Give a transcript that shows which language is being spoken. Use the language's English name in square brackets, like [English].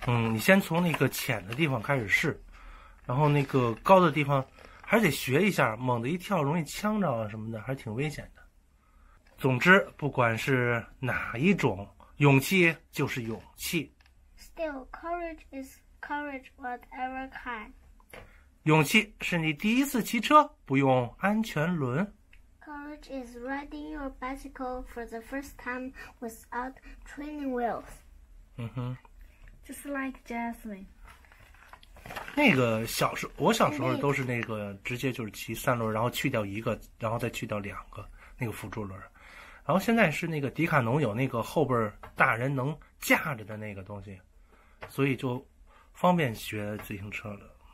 [Chinese] 你先从那个浅的地方开始试，然后那个高的地方还得学一下，猛的一跳容易呛着啊什么的，还挺危险的。总之，不管是哪一种，勇气就是勇气。 [English] Still, courage is courage, whatever kind. [Chinese] 勇气是你第一次骑车不用安全轮。 [English] Courage is riding your bicycle for the first time without training wheels. Just like Jasmine. [Chinese] 那个小时候，我小时候都是那个直接就是骑三轮，然后去掉一个，然后再去掉两个那个辅助轮。然后现在是那个迪卡侬有那个后边大人能架着的那个东西，所以就方便学自行车了。